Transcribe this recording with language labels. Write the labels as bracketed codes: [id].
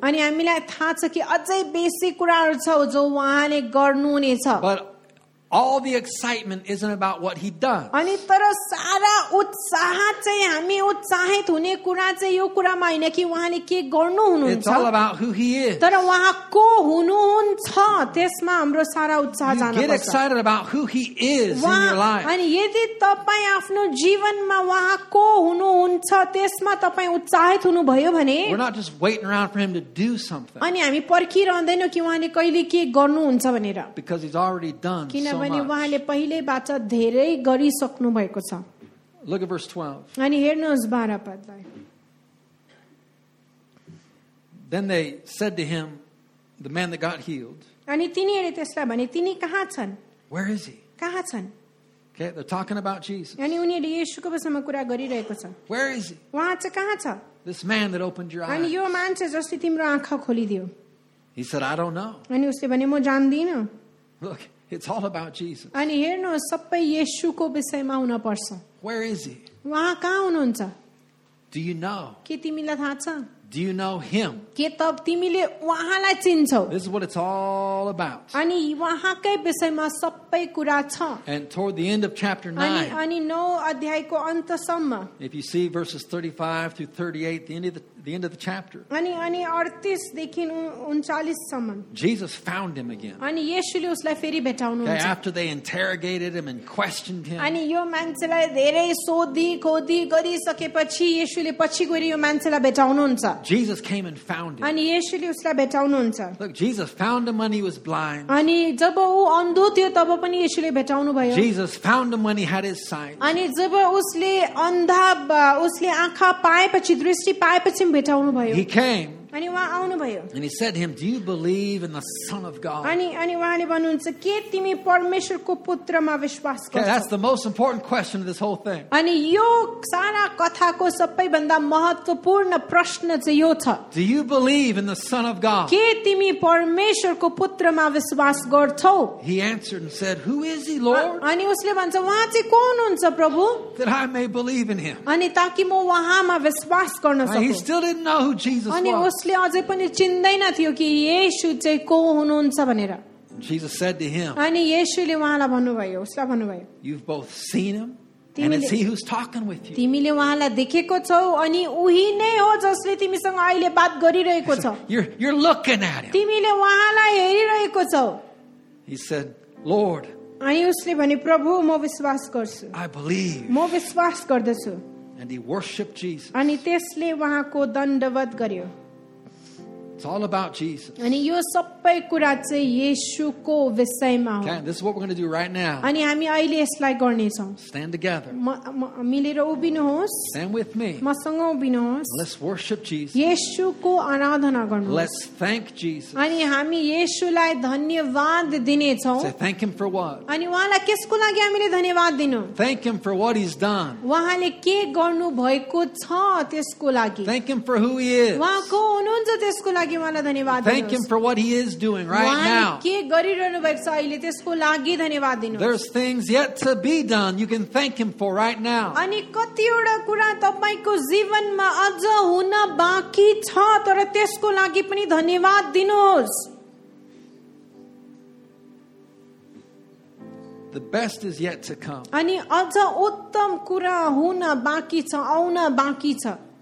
[ne] अनि हामीलाई थाहा छ कि अझै बेसी कुराहरू छ जो उहाँले गर्नुहुनेछ. [en] But All the excitement isn't about what he does. [ne] अनि तर सारा उत्साह चाहिँ हामी उत्साहित हुने कुरा चाहिँ यो कुरामा हैन कि उहाँले के गर्नु हुनुहुन्छ. [en] It's all about who he is. [ne] तर उहाँ को हुनुहुन्छ त्यसमा हाम्रो सारा उत्साह जानु पर्छ. [en] Get excited about who he is in your life. [ne] अनि यदि तपाई आफ्नो जीवनमा उहाँ को हुनुहुन्छ त्यसमा तपाई उत्साहित हुनुभयो भने [en] We're not just waiting around for him to do something. [ne] अनि हामी पर्खिरहँदैनौ कि उहाँले कहिले के गर्नुहुन्छ भनेर. [en] Because he's already done something. [ne] उहाँले पहिलेबाट धेरै गरिसक्नु भएको छ [en] Look at verse 12. [ne] अनि हेर्नुहोस् 12 पदलाई [en] Then they said to him, the man that got healed. [ne] अनि तिनीहरूले त्यसलाई भने तिनी कहाँ छन्? [en] Where is he? [ne] कहाँ छन्? [en] Okay, they're talking about Jesus. [ne] अनि उनीहरूले येशूको बारेमा कुरा गरिरहेको छ. [en] Where is he? [ne] उहाँ चाहिँ कहाँ छ? [en] This man that opened your eyes. [ne] अनि यो मान चाहिँ जसले तिम्रो आँखा खोलिदियो. [en] He said, I don't know. [ne] अनि उसले भने म जान्दिन. [en] Look. It's all about Jesus. [ne] अनि हेर्नु सबै येशूको विषयमा हुन पर्छ. [en] Where is he? [ne] उहाँ कहाँ हुनुहुन्छ? [en] Do you know? [ne] के तिमीलाई थाहा छ? [en] Do you know him? [ne] के तब तिमीले उहाँलाई चिन्छौ? [en] This is what it's all about. [ne] अनि उहाँकै विषयमा सबै कुरा छ. [en] And toward the end of chapter 9. [ne] अनि 9 अध्यायको अन्तसम्म. [en] If you see verses 35 through 38, the end of the chapter. [ne] अनि 38 देखि 39 सम्म. [en] Jesus found him again. [ne] अनि येशूले उसलाई फेरि भेटाउनुहुन्छ. [en] After they interrogated him and questioned him. [ne] अनि यो मान्छेलाई धेरै सोधी खोजी गरिसकेपछि येशूले पछि गएर यो मान्छेलाई भेटाउनुहुन्छ. [en] Jesus came and found him. [ne] अनि येशूले उसलाई भेटाउनुहुन्छ. [en] Look, Jesus found him when he was blind. [ne] अनि जब ऊ अन्धो थियो तब पनि येशूले भेटाउनु भयो. [en] Jesus found him when he had his sight. [ne] अनि जब उसले अन्धा उसले आँखा पाएपछि दृष्टि पाएपछि [en] He came. [ne] अनि वहाँ आउनुभयो. [en] And he said to him, "Do you believe in the Son of God?" [ne] अनि वहाँले भन्नुहुन्छ, "के तिमी परमेश्वरको पुत्रमा विश्वास गर्छौ?" [en] That's the most important question of this whole thing. [ne] अनि यो सारा कथाको सबैभन्दा महत्त्वपूर्ण प्रश्न चाहिँ यो छ. [en] "Do you believe in the Son of God?" [ne] के तिमी परमेश्वरको पुत्रमा विश्वास गर्छौ? [en] He answered and said, "Who is he, Lord?" [ne] अनि उसले भन्छ, "वहाँ चाहिँ को हुनुहुन्छ, प्रभु?" [en] That I may believe in him. [ne] अनि ताकि म वहाँमा विश्वास गर्न सकूँ. [en] He still didn't know who Jesus was. [ne] उसले अझै पनि चिन्दैन थियो कि येशू चाहिँ को हुनुहुन्छ भनेर [en] Jesus said to him [ne] अनि येशूले उहाँलाई भन्नुभयो उसलाई भन्नुभयो [en] You've both seen him and it's he who's talking with you [ne] तिमीले उहाँलाई देखेको छौ अनि उही नै हो जसले तिमीसँग अहिले बात गरिरहेको छ [en] You're looking at him [ne] तिमीले उहाँलाई हेरिरहेको छौ [en] He said Lord [ne] अनि उसले भने प्रभु म विश्वास गर्छु [en] I believe [ne] म विश्वास गर्दछु [en] and he worshiped Jesus [ne] अनि त्यसले उहाँको दण्डवत गर्यो [en] It's all about Jesus. [ne] अनि यो सबै कुरा चाहिँ येशूको विषयमा हो. [en] Okay, this is what we're going to do right now. [ne] अनि हामी अहिले यसलाई गर्ने छौ. [en] Stand together. [ne] मिलेर उभिनुहोस्. [en] Stand with me. [ne] मसँग उभिनुहोस्. [en] Let's worship Jesus. [ne] येशूको आराधना गर्नुहोस्. [en] Let's thank Jesus. [ne] अनि हामी येशूलाई धन्यवाद दिने छौ. [en] Say thank him for what? [ne] अनि उहाँलाई केसको लागि हामीले धन्यवाद दिनु? [en] Thank him for what he's done. [ne] उहाँले के गर्नु भएको छ त्यसको लागि? [en] Thank him for who he is. [ne] उहाँको हुनुहुन्छ त्यसको लागि. [en] Thank him for what he is doing right now. [ne] के गरिरहनु भएको छ अहिले त्यसको लागि धन्यवाद दिनुहोस्. [en] There's things yet to be done you can thank him for right now. [ne] अनि कतिवटा कुरा तपाईको जीवनमा अझ हुन बाँकी छ तर त्यसको लागि पनि धन्यवाद दिनुहोस्. [en] The best is yet to come. [ne] अनि अझ उत्तम कुरा हुन बाँकी छ आउन बाँकी छ.